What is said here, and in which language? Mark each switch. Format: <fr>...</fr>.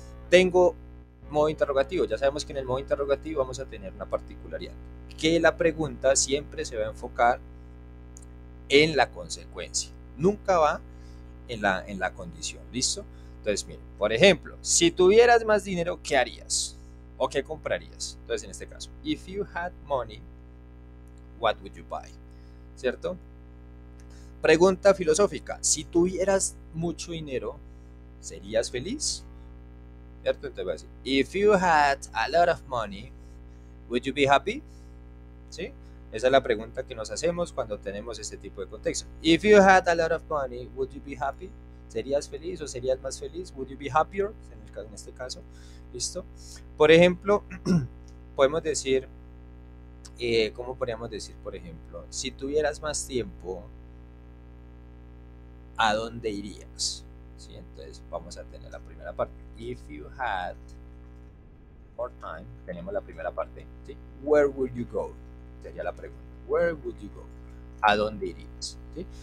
<es>Tengo modo interrogativo. Ya sabemos que en el modo interrogativo vamos a tener una particularidad, que la pregunta siempre se va a enfocar en la consecuencia. Nunca va en la condición. ¿Listo? Entonces, miren, por ejemplo, si tuvieras más dinero, ¿qué harías? ¿O qué comprarías? Entonces, en este caso,</es> <en>if you had money, what would you buy?</en> <es>¿Cierto? Pregunta filosófica. Si tuvieras mucho dinero, ¿serías feliz? ¿Cierto?</es> <en>Entonces, if you had a lot of money, would you be happy?</en> <es>¿Sí? Esa es la pregunta que nos hacemos cuando tenemos este tipo de contexto.</es> <en>If you had a lot of money, would you be happy?</en> <es>¿Serías feliz o serías más feliz?</es> <en>Would you be happier?</en> <es>En este caso. ¿Listo? Por ejemplo, podemos decir, ¿cómo podríamos decir, por ejemplo, si tuvieras más tiempo, ¿a dónde irías? ¿Sí? Entonces, vamos a tener la primera parte.</es> <en>If you had more time,</en> <es>tenemos la primera parte. ¿Sí?</es> <en>Where would you go?</en> <es>Sería la pregunta. Where would you go? ¿A dónde irías? ¿Sí?</es>